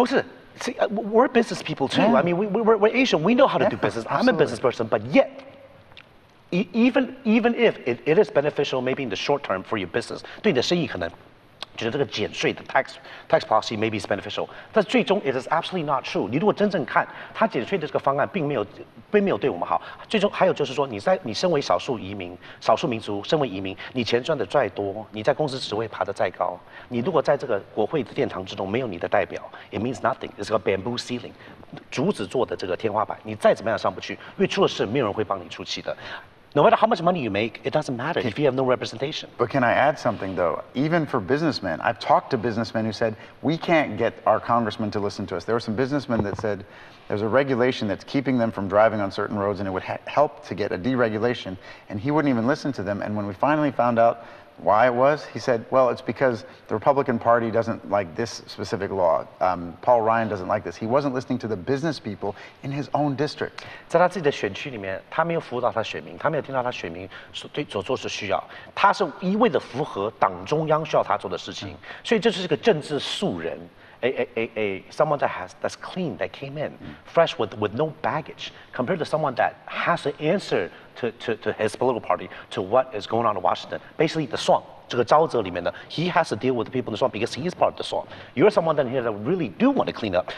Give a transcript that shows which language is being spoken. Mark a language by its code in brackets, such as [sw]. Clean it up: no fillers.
[zh] 不是 [en] See, we're business people too. Yeah. I mean, we're Asian. We know how to do business. Absolutely. I'm a business person, but yet, even if it is beneficial, maybe in the short term for your business, [zh] 对你的生意可能觉得这个减税的 [en] tax policy maybe is beneficial. [zh] 但最终 [en] it is absolutely not true. [zh] 你如果真正看他减税的这个方案，并没有对我们好。最终还有就是说，你身为少数移民、少数民族，身为移民，你钱赚的再多，你在公司职位爬得再高，你如果在这个国会的殿堂之中没有你的代表 ， [en] it means nothing. It's a bamboo ceiling， [zh] 竹子做的这个天花板，你再怎么样上不去，因为出了事，没有人会帮你出气的。 [en] No matter how much money you make, it doesn't matter if you have no representation. But can I add something, though? Even for businessmen, I've talked to businessmen who said, we can't get our congressmen to listen to us. There were some businessmen that said, there's a regulation that's keeping them from driving on certain roads, and it would help to get a deregulation. And he wouldn't even listen to them. And when we finally found out why it was, he said, well, it's because the Republican Party doesn't like this specific law. Paul Ryan doesn't like this. He wasn't listening to the business people in his own district. [zh] 在他自己的选区里面，他没有服务到他选民，他没有听到他选民所做的需要。他是一味的符合党中央需要他做的事情。所以这是一个政治素人。 [en] Someone that's clean, that came in, fresh with no baggage, compared to someone that has to answer to his political party, to what is going on in Washington. Basically, the swamp, [zh] 这个沼泽里面的, [en] he has to deal with the people in the swamp because he is part of the swamp. You're someone down here that really do want to clean up.